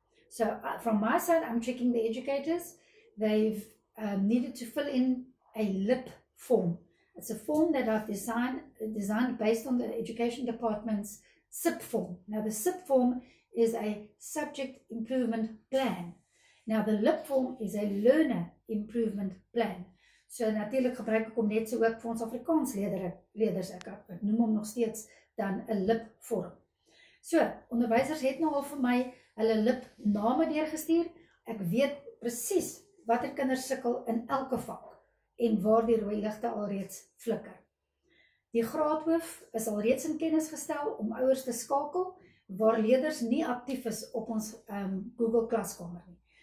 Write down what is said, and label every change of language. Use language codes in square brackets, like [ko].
[en] So from my side, I'm checking the educators. They've needed to fill in a LIP form. It's a form that I've designed based on the education department's SIP form. Now the SIP form is a subject improvement plan. Now the LIP form is a learner improvement plan. [af] So natuurlijk gebruik ek hom net so ook vir ons Afrikaans leerders. Ek noem hom nog steeds dan 'n LIP form. So, onderwysers het nou al vir my hulle LIP name deurgestuur. Ek weet presies watter kinders sukkel in elke vak en waar die rooi ligte alreeds flikker. Die graadhoof is alreeds in kennis gestel om ouers te skakel waar leerders nie aktief is op ons Google Klaskamer nie.